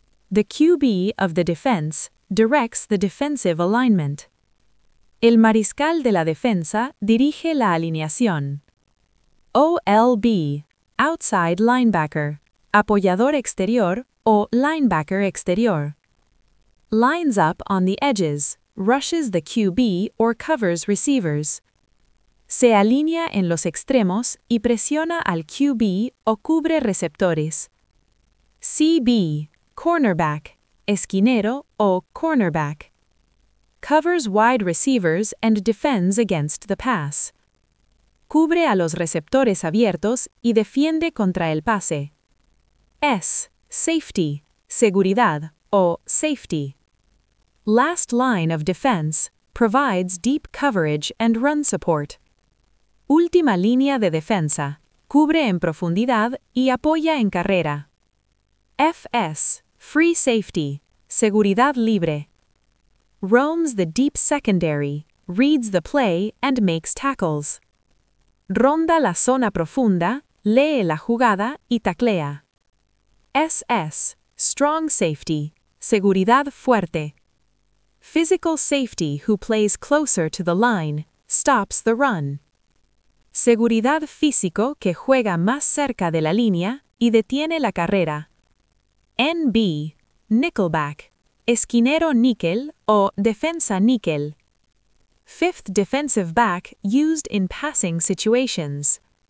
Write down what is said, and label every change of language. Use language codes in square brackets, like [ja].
[en] The QB of the defense directs the defensive alignment. [es] El mariscal de la defensa dirige la alineación. OLB. [en] Outside linebacker. [es] Apoyador exterior o linebacker exterior. [en] Lines up on the edges. Rushes the QB or covers receivers. [es] Se alinea en los extremos y presiona al QB o cubre receptores. C. CB, cornerback, esquinero o cornerback. [en] Covers wide receivers and defends against the pass. [es] Cubre a los receptores abiertos y defiende contra el pase. S, safety, seguridad o safety. [en] Last line of defense, provides deep coverage and run support. [es] Última línea de defensa, cubre en profundidad y apoya en carrera. FS, [en] free safety, [es] seguridad libre. [en] Roams the deep secondary, reads the play and makes tackles. [es] Ronda la zona profunda, lee la jugada y taclea. SS, [en] strong safety, [es] seguridad fuerte. [en] Physical safety who plays closer to the line, stops the run. [es] Seguridad físico que juega más cerca de la línea y detiene la carrera. NB, nickelback, esquinero níquel o defensa níquel. [en] Fifth defensive back used in passing situations.